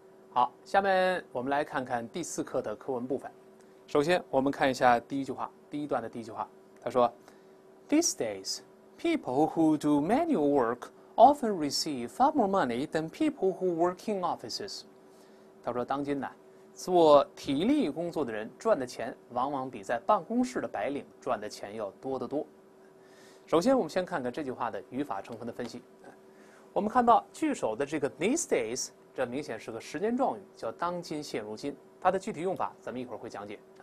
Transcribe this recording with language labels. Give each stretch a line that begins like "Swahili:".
Chinese: 好，下面我们来看看第四课的课文部分。首先，我们看一下第一句话，第一段的第一句话。他说：“
English: These days, people who do manual work often receive far more money than people who work in offices。”
Chinese: 他说：“当今呢，做体力工作的人赚的钱，往往比在办公室的白领赚的钱要多得多。” 首先，我们先看看这句话的语法成分的分析。我们看到句首的这个
English: these days。
Chinese: 这明显是个时间状语，叫当今现如今，它的具体用法咱们一会儿会讲解。